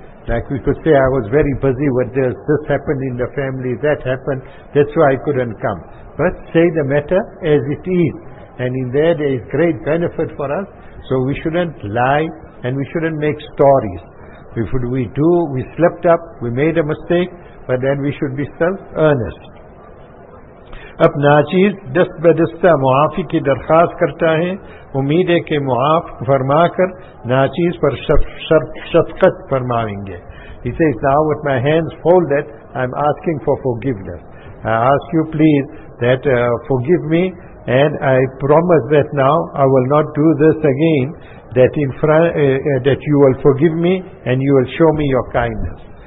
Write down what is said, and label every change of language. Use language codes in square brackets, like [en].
[en] Like we could say, I was very busy with this, this happened in the family, that happened, that's why I couldn't come. But say the matter as it is, and in there there is great benefit for us, so we shouldn't lie and we shouldn't make stories. If we do, we slipped up, we made a mistake, but then we should be self-earnest. [ur] اب ناچیز دست بدستہ معافی کی درخواست کرتا ہے امید ہے کہ معاف فرما کر ناچیز پر شفقت فرمائیں گے. [en] He says, now with my hands folded, I'm asking for forgiveness. I ask you please that forgive me, and I promise that now I will not do this again, that in front, that you will forgive me and you will show me your kindness.